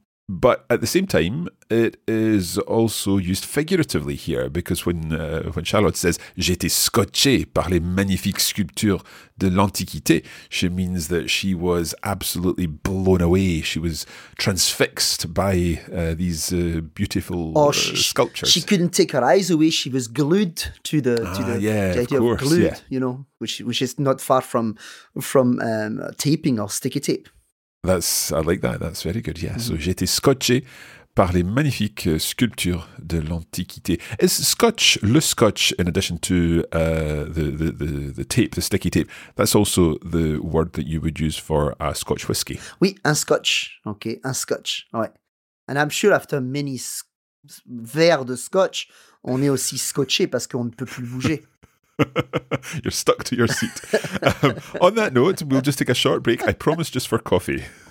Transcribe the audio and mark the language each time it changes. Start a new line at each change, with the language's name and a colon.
English: But at the same time, it is also used figuratively here, because when Charlotte says,
French: j'ai été scotché par les magnifiques sculptures de l'Antiquité,
English: she means that she was absolutely blown away. She was transfixed by these beautiful sculptures. She couldn't take her eyes away. She was glued to the idea of glued. You know, which is not far from taping or sticky tape. I like that. That's very good. Yeah.
French: So j'ai été scotché par les magnifiques sculptures de l'Antiquité.
English: Is scotch le scotch in addition to the tape, the sticky tape? That's also the word that you would use for a scotch whiskey.
French: Oui, un scotch.
English: Okay,
French: un scotch.
English: All right. And I'm sure after many
French: verres de scotch, on est aussi scotché parce qu'on ne peut plus bouger.
English: You're stuck to your seat. On that note, we'll just take a short break. I promise, just for coffee.